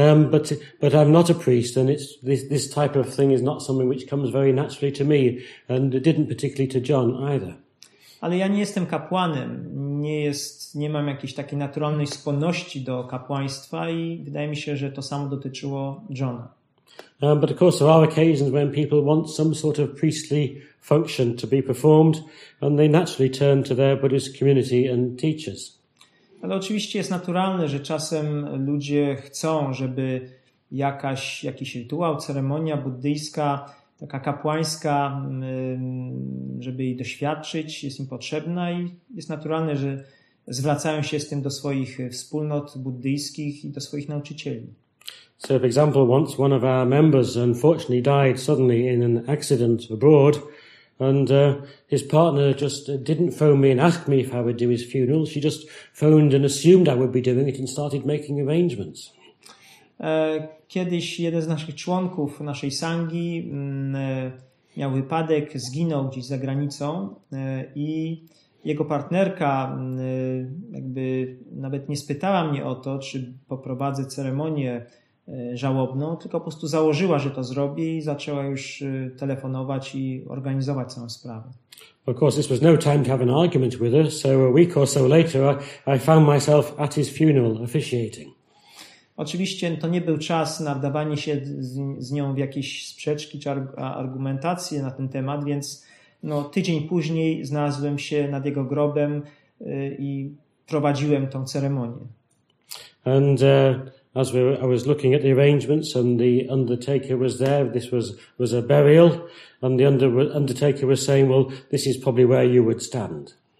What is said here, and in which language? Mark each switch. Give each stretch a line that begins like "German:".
English: But I'm not a priest and it's this type of thing is not something which comes very naturally to me and it didn't particularly to John either.
Polish: Ale ja nie jestem kapłanem, nie mam jakiejś takiej naturalnej skłonności do kapłaństwa i wydaje mi się, że to samo dotyczyło Johna.
English: But of course there are occasions when people want some sort of priestly function to be performed and they naturally turn to their Buddhist community and teachers.
Polish: Ale oczywiście jest naturalne, że czasem ludzie chcą, żeby jakiś rytuał, ceremonia buddyjska, taka kapłańska, żeby jej doświadczyć, jest im potrzebna i jest naturalne, że zwracają się z tym do swoich wspólnot buddyjskich i do swoich nauczycieli.
English: So, for example, once one of our members unfortunately died suddenly in an accident abroad, and his partner just didn't phone me and ask me if I would do his funeral. She just phoned and assumed I would be doing it and started making arrangements.
Polish: Kiedyś jeden z naszych członków naszej sangi miał wypadek, zginął gdzieś za granicą i jego partnerka jakby nawet nie spytała mnie o to, czy poprowadzę ceremonię żałobną, tylko po prostu założyła, że to zrobi i zaczęła już telefonować i organizować całą sprawę.
English: Of course, this was no time to have an argument with her, so a week or so later I found myself at his funeral officiating.
Polish: Oczywiście to nie był czas na wdawanie się z nią w jakieś sprzeczki czy argumentacje na ten temat, więc no, tydzień później znalazłem się nad jego grobem i prowadziłem tą ceremonię.
English: And I was looking at the arrangements and the undertaker was there, this was a burial, and the undertaker was saying, well, this is probably where you would stand.